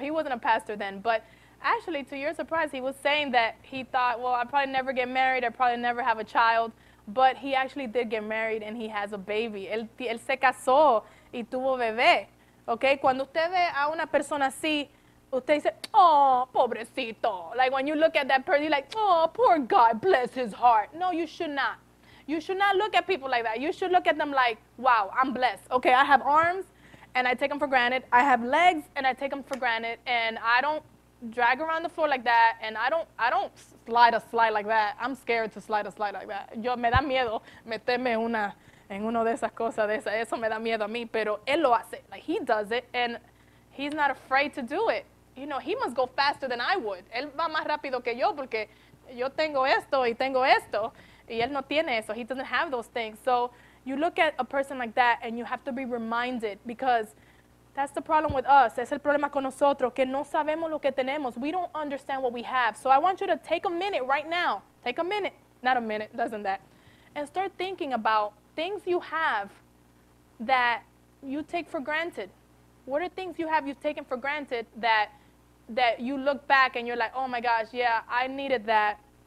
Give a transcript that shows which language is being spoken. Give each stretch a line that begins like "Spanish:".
English: He wasn't a pastor then, but actually, to your surprise, he was saying that he thought, well, I'll probably never get married, I'll probably never have a child, but he actually did get married and he has a baby.
Spanish: Él se casó y tuvo bebé. Okay, cuando usted ve a una persona así, usted dice, oh, pobrecito.
English: Like when you look at that person, you're like, oh, poor guy, bless his heart. No, you should not. You should not look at people like that. You should look at them like, wow, I'm blessed. Okay, I have arms and I take them for granted. I have legs and I take them for granted. And I don't drag around the floor like that. And I don't slide a slide like that. I'm scared to slide a slide like that.
Spanish: Yo me da miedo meterme una en uno de esas cosas. De esa. Eso me da miedo a mí. Pero él lo hace.
English: Like, he does it. And he's not afraid to do it. You know, he must go faster than I would.
Spanish: Él va más rápido que yo porque yo tengo esto y tengo esto. Y él no tiene eso.
English: He doesn't have those things. So you look at a person like that and you have to be reminded, because that's the problem with us.
Spanish: Es el problema con nosotros, que no sabemos lo que tenemos.
English: We don't understand what we have. So I want you to take a minute right now. Take a minute. Not a minute, doesn't that. And start thinking about things you have that you take for granted. What are things you have you've taken for granted that you look back and you're like, oh my gosh, yeah, I needed that.